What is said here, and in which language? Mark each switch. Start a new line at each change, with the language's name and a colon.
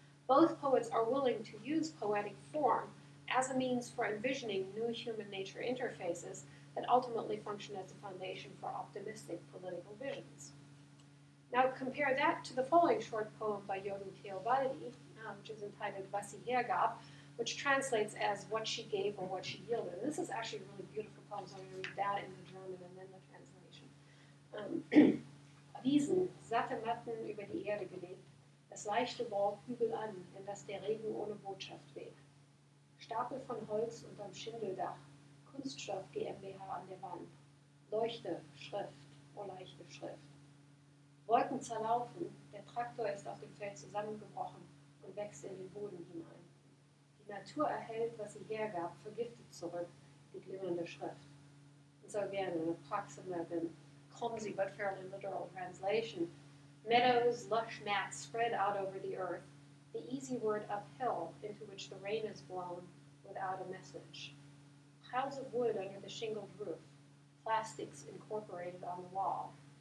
English: Both poets are willing to use poetic form as a means for envisioning new human-nature interfaces that ultimately function as a foundation for optimistic political visions. Now compare that to the following short poem by Jörgen Theobaldi, which is entitled Was sie hergab, which translates as what she gave or what she yielded. And this is actually a really beautiful poem, so I'm going to read that in the German and then the translation.
German: Wiesen, satte Matten über die Erde gelegt, das leichte Wort hügel an, in das der Regen ohne Botschaft weht. Stapel von Holz unterm Schindeldach, Kunststoff GmbH an der Wand. Leuchte, Schrift, oh leichte Schrift. Wolken zerlaufen, der Traktor ist auf dem Feld zusammengebrochen und wächst in den Boden hinein. Natur erhält, was sie hergab, vergiftet zurück, die glimmernde Schrift.
English: And so again, an approximate and clumsy but fairly literal translation. Meadows, lush mats spread out over the earth, the easy word uphill into which the rain is blown without a message. Piles of wood under the shingled roof, plastics incorporated on the wall.